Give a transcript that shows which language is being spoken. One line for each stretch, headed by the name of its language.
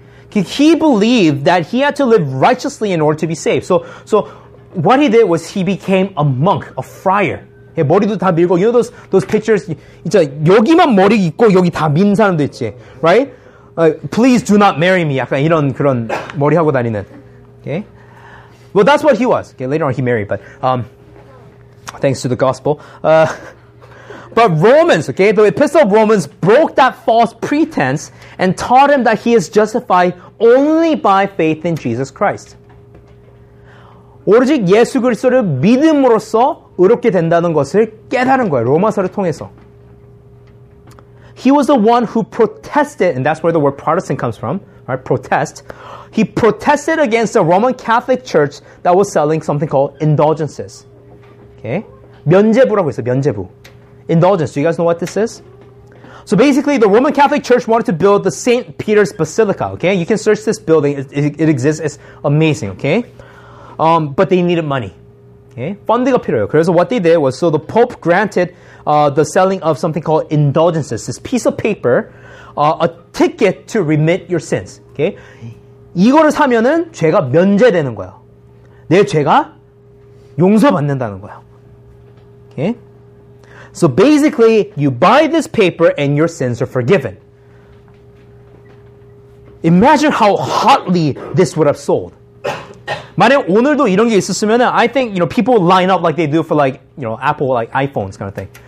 English: He believed that he had to live righteously in order to be saved. So what he did was he became a monk, a friar.
Korean: 예, 머리도 다 밀고,
English: you know those pictures?
Korean: 진짜 여기만 머리 있고 여기 다 민 사람도 있지, right?
English: Please do not marry me.
Korean: 약간 이런 그런 머리 하고 다니는.
English: Okay. Well, that's what he was. Okay, later on he married, but thanks to the gospel. But Romans, okay, the Epistle of Romans broke that false pretense and taught him that he is justified only by faith in Jesus Christ.
Korean: 오직 예수 그리스도를 믿음으로써 의롭게 된다는 것을 깨달은 거예요. 로마서를 통해서.
English: He was the one who protested, and that's where the word Protestant comes from, right? Protest. He protested against the Roman Catholic Church that was selling something called indulgences.
Korean: Okay? 면제부라고 있어요. 면제부.
English: Indulgence. Do you guys know what this is? So basically, the Roman Catholic Church wanted to build the St. Peter's Basilica. Okay? You can search this building. It exists. It's amazing. Okay? But they needed money. Okay?
Korean: 펀드가 필요해요.
English: So what they did was, so the Pope granted the selling of something called indulgences. This piece of paper, a ticket to remit your sins. Okay?
Korean: 이거를 사면은 죄가 면제되는 거야. 내 죄가 용서받는다는 거야.
English: Okay? So basically, you buy this paper and your sins are forgiven. Imagine how hotly this would have sold.
Korean: 만약 오늘도 이런 게 있었으면,
English: I think, you know, people would line up like they do for like, you know, Apple, like iPhones kind of thing.